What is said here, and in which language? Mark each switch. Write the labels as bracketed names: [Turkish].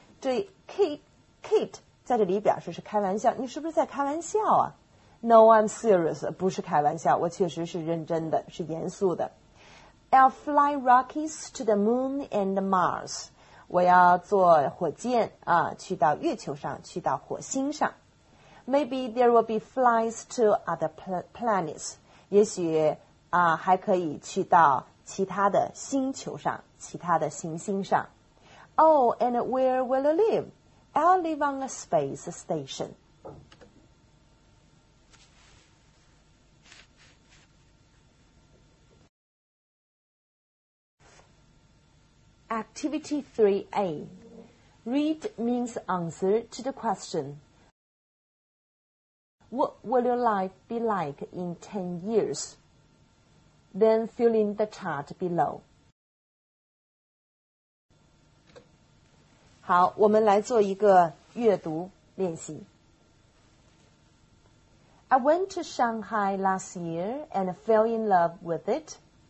[Chinese] 这 Kate 在这里表示是开玩笑，你是不是在开玩笑啊？ [English] No, I'm serious. [Chinese] 不是开玩笑，我确实是认真的，是严肃的。 [English] I'll fly rockets to the moon and Mars. [Chinese] 我要坐火箭啊，去到月球上，去到火星上。 [English] Maybe there will be flights to other planets. [Chinese] 也许啊，还可以去到其他的星球上，其他的行星上。 [English] Oh, and where will I live? I'll live on a space station. 3A. Read means answer to the question. What will your life be like in 10 years? Then fill in the chart below. [Chinese] 好，我们来做一个阅读练习。 [English] I went to Shanghai last year and fell in love with it.